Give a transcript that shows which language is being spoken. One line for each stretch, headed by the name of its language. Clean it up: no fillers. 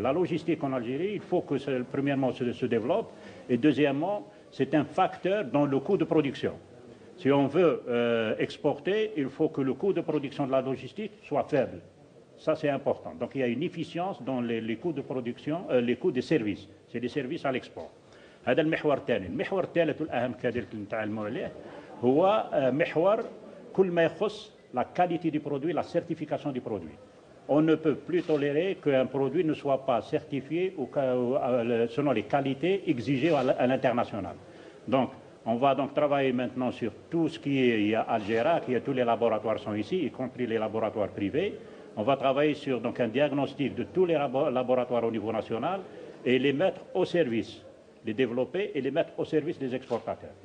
French: La logistique en Algérie, il faut que, premièrement, se développe, et deuxièmement, c'est un facteur dans le coût de production. Si on veut exporter, il faut que le coût de production de la logistique soit faible. Ça, c'est important. Donc, il y a une efficience dans les coûts de production, les coûts des services. C'est des services à l'export.
Arabic: هذا المحور الثاني. المحور الثالث والأهم كذلك نتاع المحور عليه هو محور كل ما يخص
French: la qualité du produit, la certification du produit. On ne peut plus tolérer qu'un produit ne soit pas certifié ou selon les qualités exigées à l'international. Donc on va donc travailler maintenant sur tout ce qui est il y a Algérie, tous les laboratoires sont ici, y compris les laboratoires privés. On va travailler sur donc un diagnostic de tous les laboratoires au niveau national et les mettre au service, les développer et les mettre au service des exportateurs.